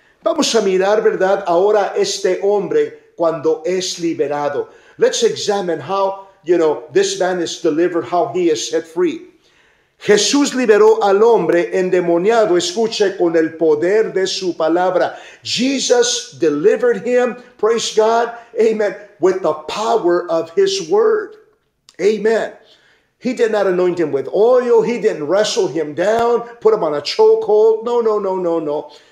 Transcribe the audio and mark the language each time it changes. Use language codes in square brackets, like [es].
[es] Vamos a mirar, ¿verdad?, ahora este hombre cuando es liberado. [en] Let's examine how, you know, this man is delivered, how he is set free. [es] Jesús liberó al hombre endemoniado, escuche, con el poder de su palabra. [en] Jesus delivered him, praise God, amen, with the power of his word, amen. He did not anoint him with oil, he didn't wrestle him down, put him on a chokehold, no.